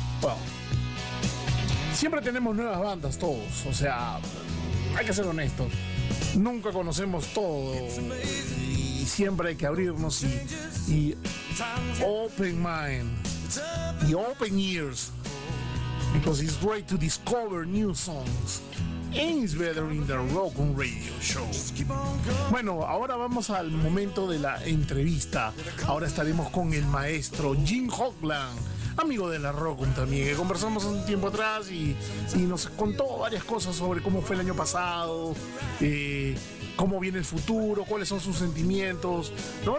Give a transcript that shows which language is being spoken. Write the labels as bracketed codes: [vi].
[es] Well, siempre tenemos nuevas bandas todos, o sea, hay que ser honestos. Nunca conocemos todo. Y siempre hay que abrirnos y [en] open mind [es] y [en] open ears. because it's great to discover new songs. Ain't better in the Rock'n Radio Show. [es] Bueno, ahora vamos al momento de la entrevista. Ahora estaremos con el maestro Jim Hoglan, amigo de la Rock'n también, que conversamos un tiempo atrás y nos contó varias cosas sobre cómo fue el año pasado, cómo viene el futuro, cuáles son sus sentimientos, ¿no?